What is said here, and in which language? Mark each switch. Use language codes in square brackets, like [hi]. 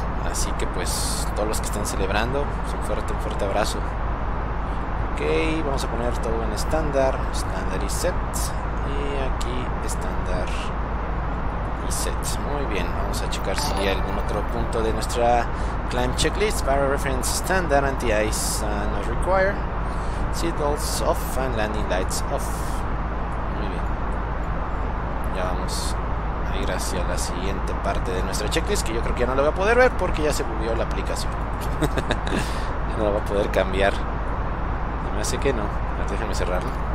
[es] Así que pues, todos los que están celebrando, un fuerte abrazo. Ok, vamos a poner todo en estándar, estándar y set, y aquí estándar y set. Muy bien, vamos a checar si hay algún otro punto de nuestra climb checklist. [en] Para reference standard, anti-ice not require, seatbelts off and landing lights off. [es] Muy bien, ya vamos a ir hacia la siguiente parte de nuestra checklist, que yo creo que ya no lo voy a poder ver porque ya se movió la aplicación. Ya no lo va a poder cambiar. Así que no, déjame cerrarla.